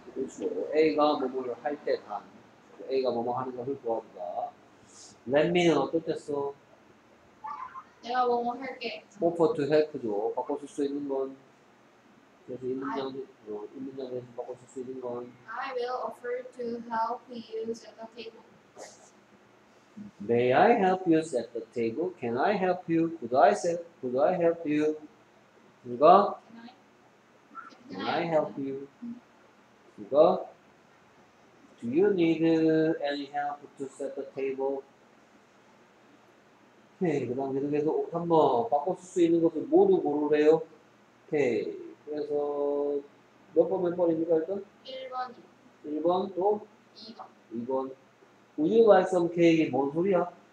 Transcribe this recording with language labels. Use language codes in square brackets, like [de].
[ko] 그렇죠. A가 뭐뭐를 할 때 단. A가 뭐뭐 하는 것을 도와준다. Let me는 어떻겠어? 내가 뭐뭐 할게. [en] Offer to help [ko] 죠. 바꿔 쓸 수 있는 건. 그래서 있는 장면으로 있는 장면에서 바꿔 쓸 수 있는 건. [en] I will offer to help you set the table. May I help you set the table? Can I help you? Could I set? Could I help you? [ko] 누가? [en] Can I help you? [ko] 누가? [en] Do you need any help to set the table? [ko] 오케이, 그 다음 계속해서 한번 바꿔 쓸 수 있는 것을 모두 고르래요. 오케이, 그래서 몇 번 몇 번입니까 일단? 1번. 1번 또? 2번. [en] 2번. Would you like some cake? [ko] 뭔 소리야?